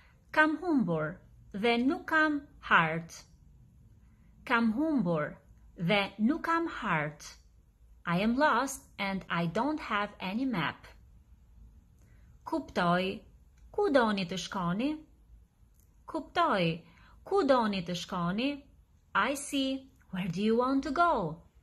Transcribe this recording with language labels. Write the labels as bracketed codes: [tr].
[sq] Kam humbur dhe nuk kam hart. Kam humbur dhe nuk kam hart. [en] I am lost and I don't have any map. [sq] Kuptoj, ku doni të shkoni? Kuptoj, ku doni të shkoni? [en] I see, where do you want to go?